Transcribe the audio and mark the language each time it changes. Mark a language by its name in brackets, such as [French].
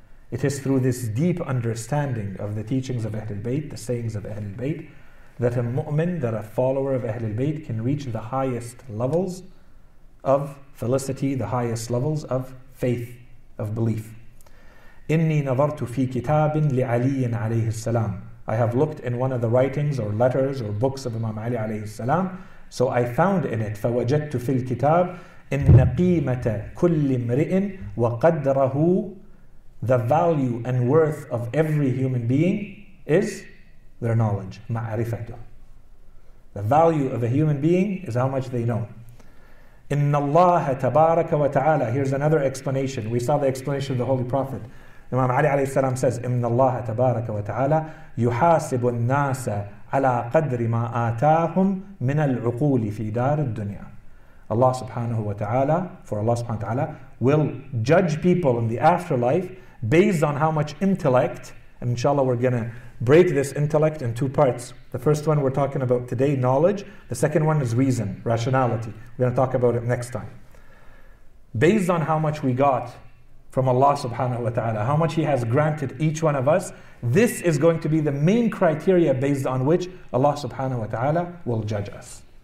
[English] It is through this deep understanding of the teachings of Ahlul Bayt, the sayings of Ahlul Bayt, that a mu'min, that a follower of Ahlul Bayt, can reach the highest levels of felicity, the highest levels of faith, of belief. [Arabic] إِنِّي نَظَرْتُ فِي كِتَابٍ لِعَلِيٍّ عَلَيْهِ السَّلَامِ. [English] I have looked in one of the writings or letters or books of Imam Ali alayhi salam. So I found in it, [Arabic] فَوَجَدْتُ فِي الْكِتَابِ إِنَّ قِيمَةَ كُلِّ مْرِئٍ وَقَدْرَهُ. [English] The value and worth of every human being is their knowledge, مَعْرِفَتُ. The value of a human being is how much they know. [Arabic] إِنَّ اللَّهَ تَبَارَكَ وَتَعَالَى. [English] Here's another explanation. We saw the explanation of the Holy Prophet. Imam Ali alayhi salam says, [Arabic] إِنَّ اللَّهَ تَبَارَكَ وَتَعَالَى يُحَاسِبُ النَّاسَ عَلَىٰ قَدْرِ مَا آتَاهُمْ مِنَ الْعُقُولِ فِي دَارِ الدُّنْيَا. [English] Allah subhanahu wa ta'ala, for Allah subhanahu wa ta'ala, will judge people in the afterlife based on how much intellect, and inshallah we're going to break this intellect in two parts. The first one we're talking about today, knowledge. The second one is reason, rationality. We're going to talk about it next time. Based on how much we got from Allah subhanahu wa ta'ala, how much He has granted each one of us, this is going to be the main criteria based on which Allah subhanahu wa ta'ala will judge us.